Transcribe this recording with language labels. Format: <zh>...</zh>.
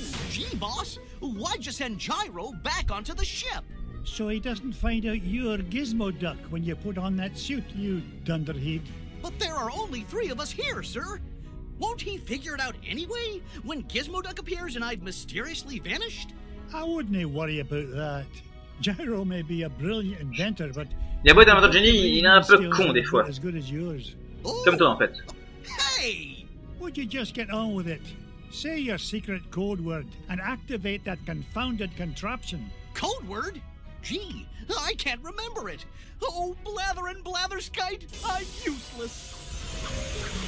<en>Gee, boss, why'd you send Gyro back onto the ship? So he doesn't find out you're Gizmo Duck when you put on that suit, you dunderhead. But there are only three of us here, sir. Won't he figure it out anyway when Gizmo Duck appears and I've mysteriously vanished? I wouldn't worry about that. Gyro may be a brilliant inventor, but...</en> <fr>Il a beau être un inventeur de génie, il est un peu con des fois. Comme toi, en fait.</fr> <en>Hey! Would you just get on with it? Say your secret code word and activate that confounded contraption. Code word? Gee, I can't remember it. Oh, blather and blatherskite, I'm useless.</en>